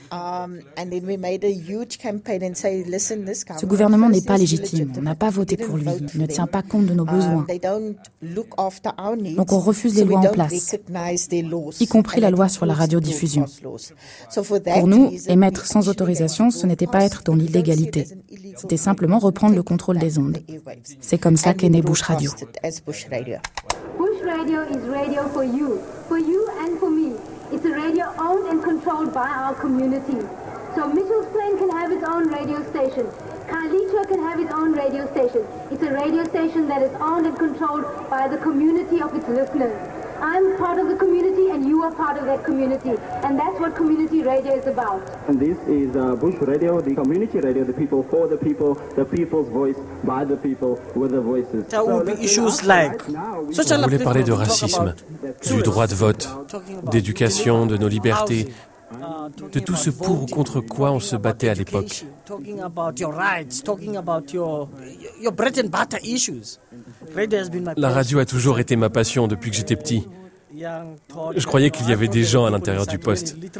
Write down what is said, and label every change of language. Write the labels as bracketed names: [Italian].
[French] Ce gouvernement n'est pas légitime, on n'a pas voté pour lui, il ne tient pas compte de nos besoins. Donc on refuse les lois en place, y compris la loi sur la radiodiffusion. Pour nous, émettre sans autorisation, ce n'était pas être dans l'illégalité. C'était simplement reprendre le contrôle des ondes. C'est comme ça qu'est née Bouche Radio. [English] Bouche Radio is radio for you and for me. It's a radio owned and controlled by our community. So Mitchell's Plain can have its own radio station. Khayelitsha can have its own radio station. It's a radio station that is owned and controlled by the community of its listeners. I'm part of the community and you are part of that community. And that's what community radio is about. And this is Bush Radio, the community radio, the people for the people's voice, by the people, with the voices. There will be issues like... [French] On voulait parler de racisme, du droit de vote, d'éducation, de nos libertés, de tout ce pour ou contre quoi on se battait à l'époque. [English] Talking about your rights, talking about your bread and butter issues. [French] La radio a toujours été ma passion depuis que j'étais petit. Je croyais qu'il y avait des gens à l'intérieur du poste.